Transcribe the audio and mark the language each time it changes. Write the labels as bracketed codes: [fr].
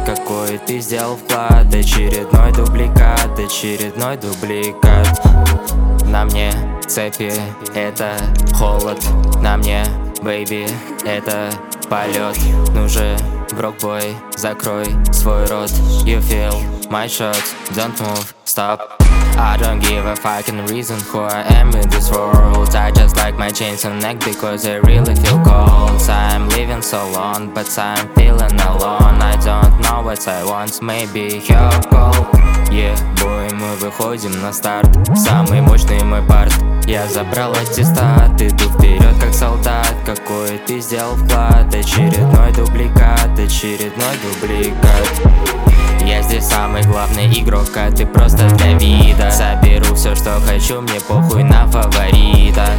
[ru] Какой ты сделал вклад? Очередной дубликат, очередной дубликат. На мне цепи, это холод. На мне, бэйби, это полет. Ну же, брокбой, закрой свой рот. [en] You feel my shot, don't move, stop. I don't give a fucking reason who I am in this world. I just like my chains and neck because I really feel cold. I'm living so long, but I'm feeling alone. I don't know what I want, maybe your call. [ru] Бой, мы выходим на старт. Самый мощный мой парт. Я забрал аттестат, иду вперед как солдат. Какой ты сделал вклад? Очередной дубликат, очередной дубликат. Я здесь самый главный игрок, а ты просто для вида. Заберу все, что хочу, мне похуй на фаворита.